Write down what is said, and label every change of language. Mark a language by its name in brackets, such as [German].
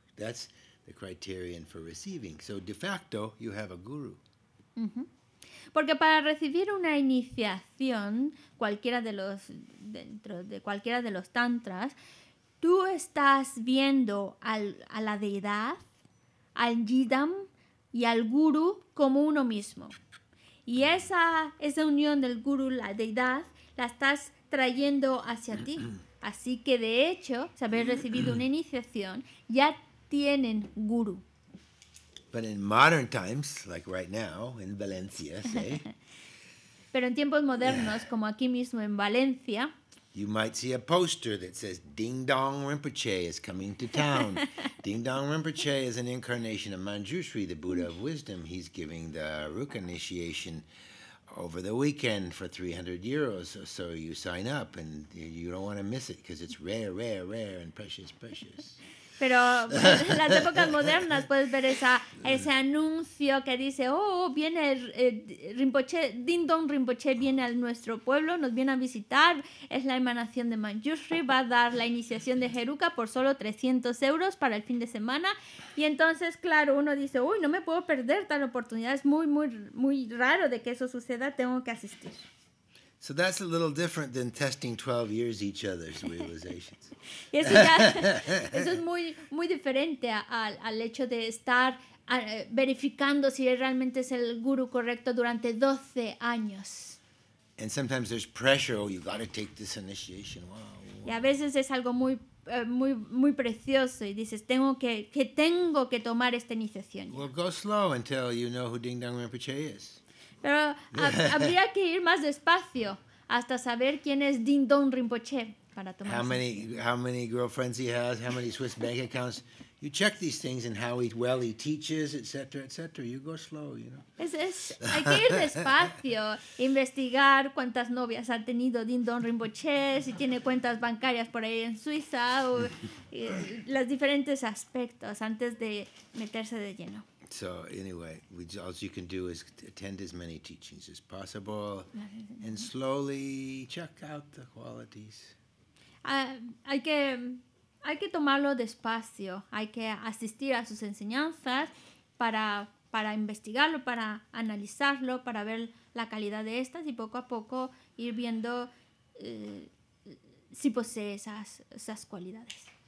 [English] That's the criterion for receiving. So de facto, you have a guru. [Spanish] Porque para recibir una iniciación dentro de cualquiera de los tantras, tú estás viendo a la deidad, al yidam y al guru como uno mismo. Y esa unión del guru, la deidad, la estás trayendo hacia ti. Así que de hecho, si habéis recibido una iniciación, ya tienen guru. [English] But in modern times, like right now, in Valencia, say. [Spanish] Pero en tiempos modernos, como aquí mismo en Valencia. [English] You might see a poster that says, Ding Dong Rinpoche is coming to town. Ding Dong Rinpoche is an incarnation of Manjushri, the Buddha of Wisdom. He's giving the Rukh initiation over the weekend for 300 euros. So you sign up and you don't want to miss it because it's rare, rare, rare and precious, precious. [Spanish] Pero en las épocas modernas puedes ver ese anuncio que dice, oh, viene Rinpoche, Ding Dong Rinpoche viene a nuestro pueblo, nos viene a visitar, es la emanación de Manjushri, va a dar la iniciación de Jeruka por solo 300 euros para el fin de semana. Y entonces, claro, uno dice, uy, no me puedo perder tal oportunidad, es muy, muy, muy raro de que eso suceda, tengo que asistir. [English] So that's a little different than testing 12 years each other's realizations. [Spanish] Eso es muy, muy diferente al hecho de estar verificando si realmente es el guru correcto durante 12 años. [English] And sometimes there's pressure, oh, you got to take this initiation. Wow. [Spanish] Y a veces es algo muy, muy, muy precioso y dices, tengo que tomar esta iniciación. [English] Well, go slow until you know who Ding Dong Rinpoche is. [Spanish] Pero habría que ir más despacio hasta saber quién es Ding Dong Rinpoche para tomar. [English] How many girlfriends he has, how many Swiss bank accounts. You check these things and how well he teaches, etc., etc. You go slow, you know. [Spanish] Hay que ir despacio, investigar cuántas novias ha tenido Ding Dong Rinpoche, si tiene cuentas bancarias por ahí en Suiza, o los diferentes aspectos antes de meterse de lleno. [English] So anyway, all you can do is attend as many teachings as possible and slowly check out the qualities. [Spanish] Hay que tomarlo despacio. Hay que asistir a sus enseñanzas para investigarlo, para analizarlo, para ver la calidad de estas y poco a poco ir viendo si posee esas cualidades.